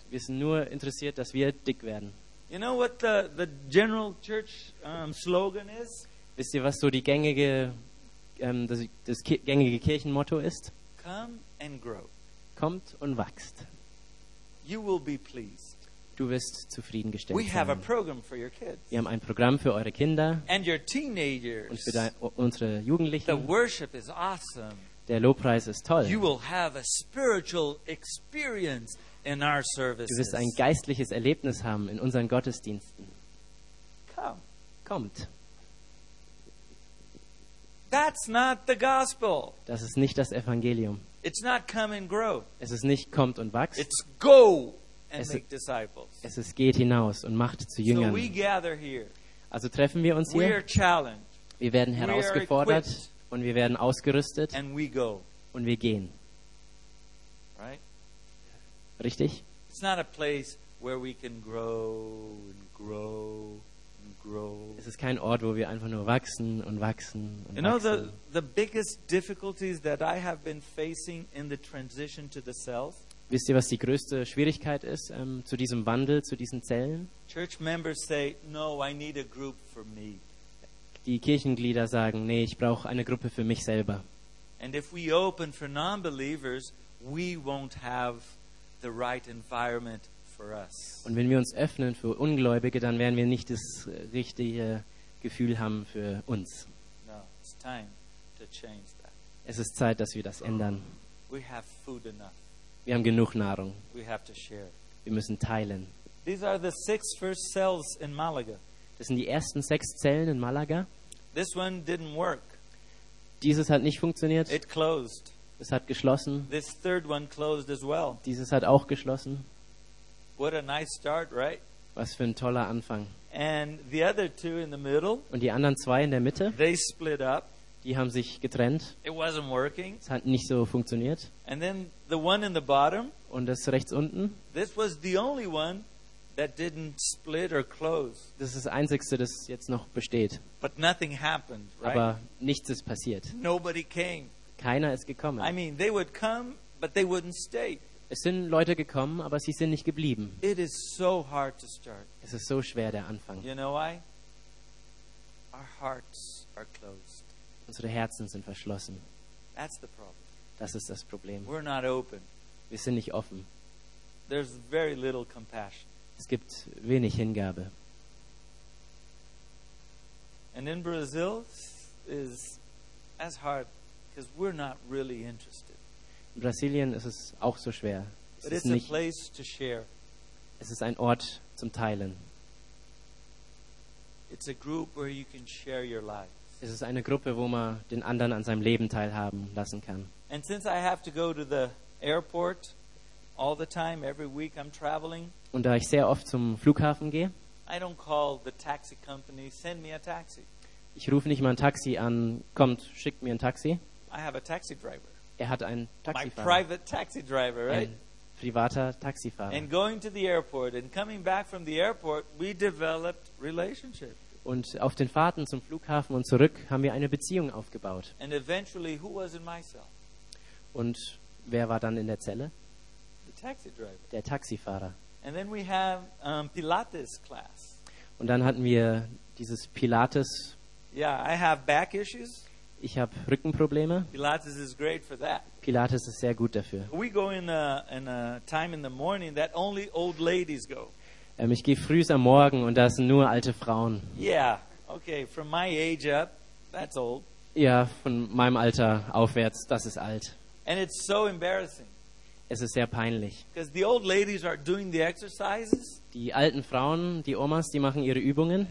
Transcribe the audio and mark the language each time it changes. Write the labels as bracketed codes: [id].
[de] Wir sind nur interessiert, dass wir dick werden. [en] You know what the general church slogan is? [de] Wisst ihr, was so die gängige das gängige Kirchenmotto ist? [en] Come and grow. [de] Kommt und wächst. [en] You will be pleased. [de] Du wirst zufriedengestellt [en] sein. We have a program for your kids. [de] Wir haben ein Programm für eure Kinder. [en] And your teenagers. [de] Und für unsere Jugendlichen. [en] The worship is awesome. [de] Der Lobpreis ist toll. [en] You will have a spiritual experience in our services. [de] Du wirst ein geistliches Erlebnis haben in unseren Gottesdiensten. [en] Come. [de] Kommt. [en] That's not the gospel. [de] Das ist nicht das Evangelium. [en] It's not come and grow. [de] Es ist nicht kommt und wächst. [en] It's go and make disciples. [de] Es ist geht hinaus und macht zu Jüngern. [en] So we gather here. [de] Also treffen wir uns hier. [en] We are challenged. [de] Wir werden herausgefordert und wir werden ausgerüstet. [en] And we go. [de] Und wir gehen. [en] Right? [de] Richtig? [en] It's not a place where we can grow and grow and grow. [de] Es ist kein Ort, wo wir einfach nur wachsen und wachsen und wachsen. [en] You know, the biggest difficulties that I have been facing in the transition to the cells. [de] Wisst ihr, was die größte Schwierigkeit ist zu diesem Wandel, zu diesen Zellen? [en] Church members say, no, I need a group for me. [de] Die Kirchenglieder sagen, nee, ich brauche eine Gruppe für mich selber. [en] And if we open for non-believers, we won't have the right environment for us. [de] Und wenn wir uns öffnen für Ungläubige, dann werden wir nicht das richtige Gefühl haben für uns. [en] No, it's time to change that. [de] Es ist Zeit, dass wir das ändern. [en] We have food enough. [de] Wir haben genug Nahrung. [en] We have to share. [de] Wir müssen teilen. [en] These are the six first cells in Malaga. [de] Das sind die ersten sechs Zellen in Malaga. [en] This one didn't work. [de] Dieses hat nicht funktioniert. [en] It closed. [de] Es hat geschlossen. [en] This third one closed as well. [de] Dieses hat auch geschlossen. [en] What a nice start, right? [de] Was für ein toller Anfang. [en] And the other two in the middle, [de] und die anderen zwei in der Mitte, [en] they split up. [de] Die haben sich getrennt. [en] It wasn't working. [de] Es hat nicht so funktioniert. [en] And then the one in the bottom, [de] und das rechts unten, [en] this was the only one that didn't split or close. [de] Das ist das Einzige, das jetzt noch besteht. [en] But nothing happened, right? [de] Aber nichts ist passiert. [en] Nobody came. [de] Keiner ist gekommen. [en] I mean, they would come, but they wouldn't stay. [de] Es sind Leute gekommen, aber sie sind nicht geblieben. [en] It is so hard to start. [de] Es ist so schwer, der Anfang. [en] You know why? Our hearts are closed. [de] Unsere Herzen sind verschlossen. [en] That's the problem. [de] Das ist das Problem. [en] We're not open. [de] Wir sind nicht offen. [en] There's very little compassion. [de] Es gibt wenig Hingabe. [en] And in Brazil is as hard because we're not really interested. [de] In Brasilien ist es auch so schwer. [en] But it's a place to share. [de] Es ist ein Ort zum Teilen. [en] It's a group where you can share your life. [de] Es ist eine Gruppe, wo man den anderen an seinem Leben teilhaben lassen kann. [en] And since I have to go to the airport all the time, every week I'm traveling. [de] Und da ich sehr oft zum Flughafen gehe, [en] I don't call the taxi company, send me a taxi. [de] Ich rufe nicht mal ein Taxi an, kommt, schickt mir ein Taxi. [en] I have a taxi driver. [de] Er hat einen Taxifahrer. [en] My private taxi driver, right? [de] Ein privater Taxifahrer. [en] And going to the airport and coming back from the airport, we developed relationship. [de] Und auf den Fahrten zum Flughafen und zurück haben wir eine Beziehung aufgebaut. [en] And eventually, who was in my cell? [de] Und wer war dann in der Zelle? [en] Taxi driver. [de] Der Taxifahrer. [en] And then we have Pilates class. [de] Und dann hatten wir dieses Pilates. [en] Yeah, I have back issues. [de] Ich habe Rückenprobleme. [en] Pilates is great for that. [de] Pilates ist sehr gut dafür. [en] We go in a time in the morning that only old ladies go. [de] Ich gehe früh am Morgen und da sind nur alte Frauen. [en] Yeah, okay, from my age up, that's old. [de] Ja, von meinem Alter aufwärts, das ist alt. [en] And it's so embarrassing. [de] Es ist sehr peinlich. [en] Because the old ladies are doing the exercises. [de] Die alten Frauen, die Omas, die machen ihre Übungen.